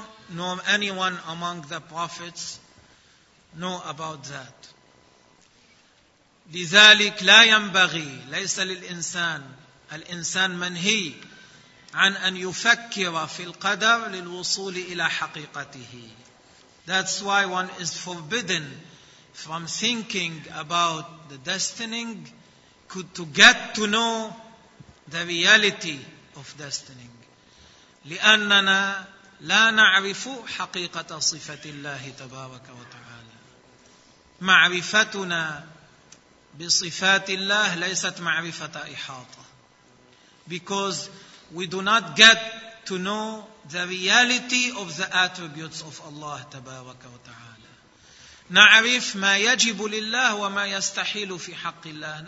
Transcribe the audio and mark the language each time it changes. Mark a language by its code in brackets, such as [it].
[en] Nor anyone among the prophets know about that. [ar] لذلك لا ينبغي ليس للإنسان الإنسان منهي عن أن يفكر في القدر للوصول إلى حقيقته. [en] That's why one is forbidden from thinking about the destining to get to know the reality of destining. [ar] لأننا لا نعرف حقيقة صفة الله تبارك وتعالى. معرفتنا بصفات الله ليست معرفة إحاطة. [en] Because we do not get to know the reality of the attributes of Allah [ar] تبارك وتعالى. نعرف ما يجب لله وما يستحيل في حق الله.